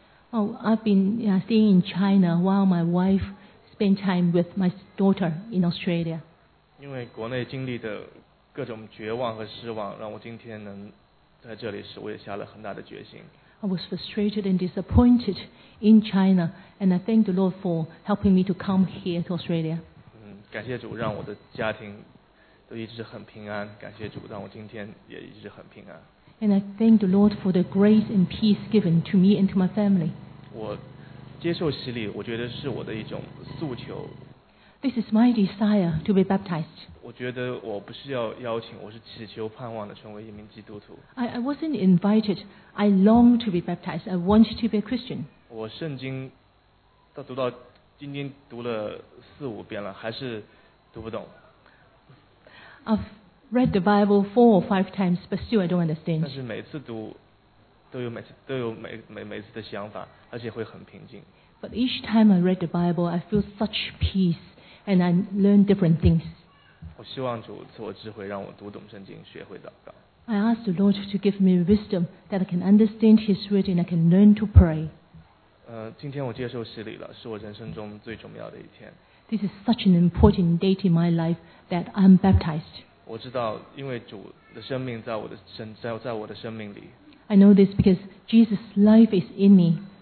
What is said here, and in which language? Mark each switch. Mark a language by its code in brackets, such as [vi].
[en] I've been staying in China while my wife spent time with my daughter in Australia. [zh] 因为国内经历的各种绝望和失望，让我今天能在这里时，我也下了很大的决心。 [en] I was frustrated and disappointed in China, and I thank the Lord for helping me to come here to Australia. [zh] 感谢主，让我的家庭都一直很平安。感谢主，让我今天也一直很平安。 [en] And I thank the Lord for the grace and peace given to me and to my family. [zh] 我接受洗礼，我觉得是我的一种诉求。 [en] This is my desire to be baptized. [zh] 我觉得我不是要邀请，我是祈求盼望的成为一名基督徒。 [en] I wasn't invited. I long to be baptized. I want to be a Christian. [zh] 我圣经到读到今天读了四五遍了，还是读不懂。 [en] I've read the Bible 4 or 5 times, but still I don't understand. [zh] 但是每次读都有每次的想法，而且会很平静。 [en] But each time I read the Bible, I feel such peace. And I learn different things. [zh] 我希望主赐我智慧，让我读懂圣经，学会祷告。 [en] I ask the Lord to give me wisdom that I can understand His word and I can learn to pray. [zh] 今天我接受洗礼了，是我人生中最重要的一天。 [en] This is such an important date in my life that I'm baptized. [zh] 我知道，因为主的生命在我的生命里。 [en] I know this because Jesus' life is in me.